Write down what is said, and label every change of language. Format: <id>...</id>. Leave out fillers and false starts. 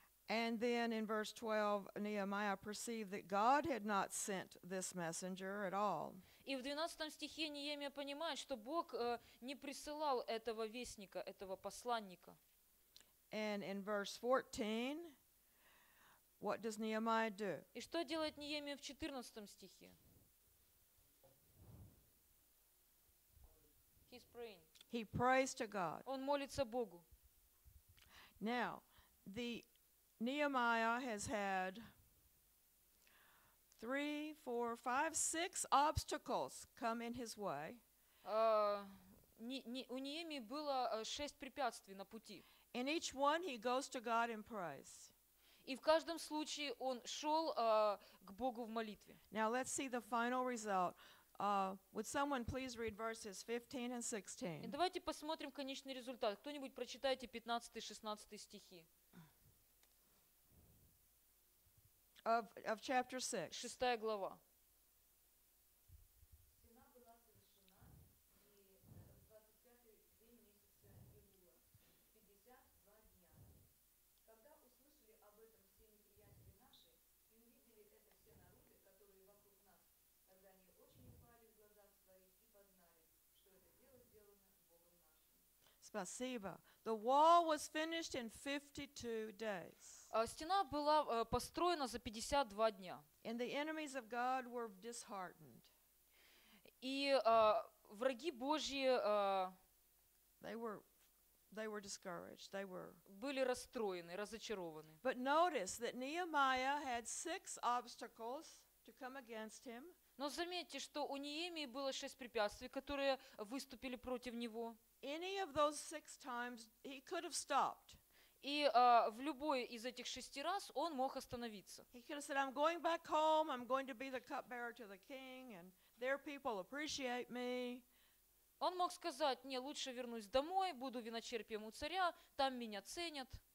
<en>And then in verse 12, Nehemiah perceived that God had not sent this messenger at all.</en> <ru>И в 12 стихе Неемия понимает, что Бог не присылал этого вестника, этого посланника.</ru> <en>And in verse 14, what does Nehemiah do?</en> <ru>И что делает Неемия в 14 стихе?</ru> <en>He's praying. He prays to God.</en> <ru>Он молится Богу.</ru> <en>Now, the Nehemiah has had 3, 4, 5, 6 obstacles come in his way.</en> <ru>У Неемии было 6 препятствий на пути.</ru> <en>In each one he goes to God and prays.</en> <ru>И в каждом случае он шел к Богу в молитве.</ru> <en>Now let's see the final result. Would someone please read verses 15 and 16?</en> <ru>И давайте посмотрим конечный результат. Кто-нибудь прочитайте 15-16 стихи.</ru> <en>Of chapter 6.</en> <ru>Шестая глава. Спасибо.</ru> <en>The wall was finished in 52 days.</en> <ru>Стена была построена за 52 дня.</ru> <en>And the enemies of God were disheartened.</en> <ru>И враги Божьи</ru> <en>they were They were discouraged. They were.</en> <ru>Были расстроены, разочарованы.</ru> <en>But notice that Nehemiah had six obstacles to come against him.</en> <ru>Но заметьте, что у Неемии было шесть препятствий, которые выступили против него.</ru> <en>Any of those six times he could have stopped.</en> <ru>И в любой из этих шести раз он мог остановиться.</ru> <en>He could have said, "I'm going back home. I'm going to be the cupbearer to the king, and their people appreciate me."</en> <ru>Он мог сказать, не, лучше вернусь домой, буду виночерпием у царя, там меня ценят.</ru>